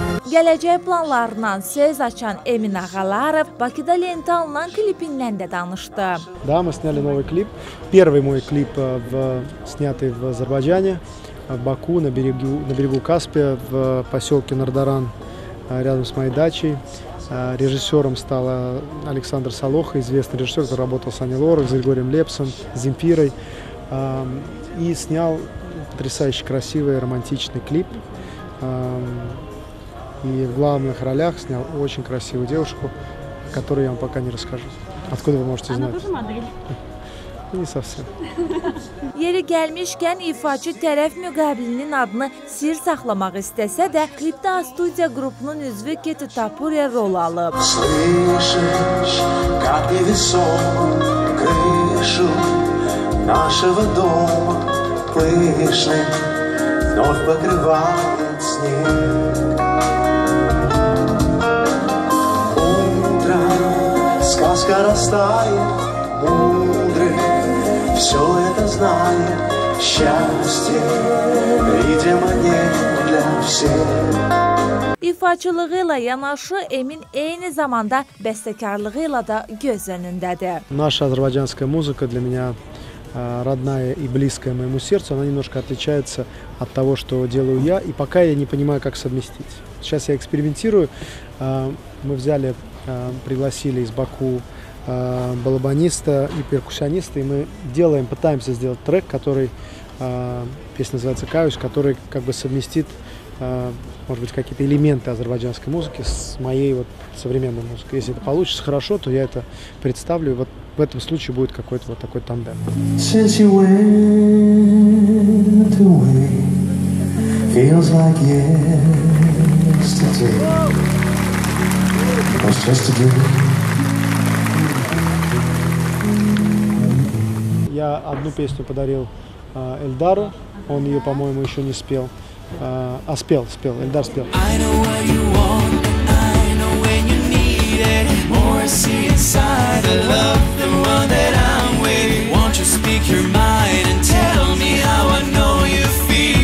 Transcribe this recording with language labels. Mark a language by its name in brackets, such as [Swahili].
[Azerbaijani] Gələcək planlarından söz açan Emin Ağalarov Bakıda lentə alınan klipindən də danışdı. [Russian] Да, мы сняли новый клип. Первый мой клип, снятый в Азербайджане. в Баку, на берегу Каспия, в поселке Нардаран, рядом с моей дачей. Режиссером стал Александр Солоха, известный режиссер, который работал с Ани Лорак, с Григорием Лепсом, с Земфирой. И снял потрясающе красивый, романтичный клип. И в главных ролях снял очень красивую девушку, которую я вам пока не расскажу. Откуда вы можете знать? Она тоже модель. Не совсем. [Azerbaijani] Yeri gəlmişkən ifaçı tərəf müqabilinin adını sir saxlamaq istəsə də klipdə studiya qrupunun üzvü Keti Tapuria rol alıb. [Russian] Слышишь, как невесом крышу нашего дома пышный вновь покрывает снег. Утро, сказка растает, мудрый все это знает, счастье, видимо, не для всех. [Azerbaijani] İfaçılığı ilə yanaşı Emin eyni zamanda bəstəkarlığı ilə də göz önündədir. [Russian] Наша азербайджанская музыка для меня родная и близкая моему сердцу, она немножко отличается от того, что делаю я, и пока я не понимаю, как совместить. Сейчас я экспериментирую. Мы взяли, пригласили из Баку балабаниста и перкуссиониста, и мы делаем, пытаемся сделать трек, который, песня называется «Каюсь», который как бы совместит, может быть, какие-то элементы азербайджанской музыки с моей вот современной музыкой. Если это получится хорошо, то я это представлю. Вот в этом случае будет какой-то вот такой тандем. [English] Since you went away, feels like yesterday. It was just a dream. [Russian] Я одну песню подарил Эльдару, он ее, по-моему, еще не спел. Спел. Эльдар спел. [English] I know what you want, I know when you need it. More see inside the love than one that I'm with. Won't you speak your mind and tell me how I know you feel?